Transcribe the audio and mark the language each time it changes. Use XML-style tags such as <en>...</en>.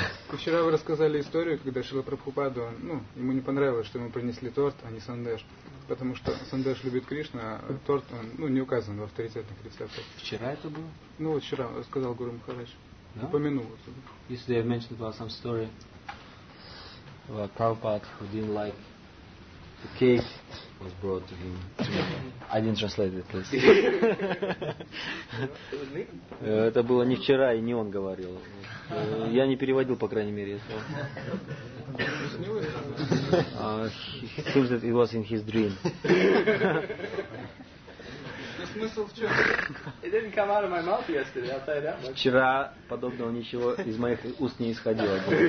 <ru>Вчера вы рассказали историю, когда Шрила Прабхупаду, ну, ему не понравилось, что ему принесли торт, а не сандеш, потому что сандеш любит Кришну, а торт, он, ну, не указан в авторитетных рецептах. Вчера это было? Ну, вот вчера, сказал Гуру Махарадж. упомянул. Если я</ru> <en>mentioned about some story about Prabhupada who didn't like the cake was brought to him. I didn't translate it, please.</en> <ru>Это было не вчера, и не он говорил. Я не переводил, по крайней мере, это.</ru> <en>It seems that it was in his dream. It didn't come out of my mouth yesterday, I'll tell you that much.</en> <ru>Вчера подобного ничего из моих уст не исходило.</ru>